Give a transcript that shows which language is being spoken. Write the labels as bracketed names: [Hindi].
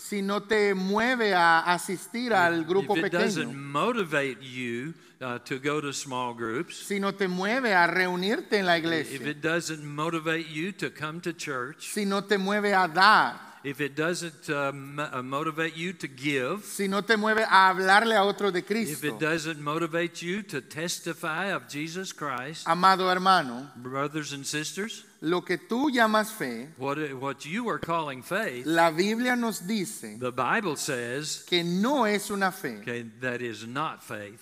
[Spanish] Si no te mueve a asistir al grupo pequeño. [English] If it [Spanish] pequeño, [English] doesn't motivate you to go to small groups. [Spanish] Si no te mueve a reunirte en la iglesia. [English] If it doesn't motivate you to come to church. [Spanish] Si no te mueve a dar. [English] If it doesn't motivate you to give. [Spanish] Si no te mueve a hablarle a otro de Cristo. [English] If it doesn't motivate you to testify of Jesus Christ. [Spanish] Amado hermano. [English] Brothers and sisters. [Spanish] Lo que tú llamas fe. [English] What you are calling faith. [Spanish] La Biblia nos dice. [English] The Bible says. [Spanish] Que no es una fe. [English] Okay, that is not faith.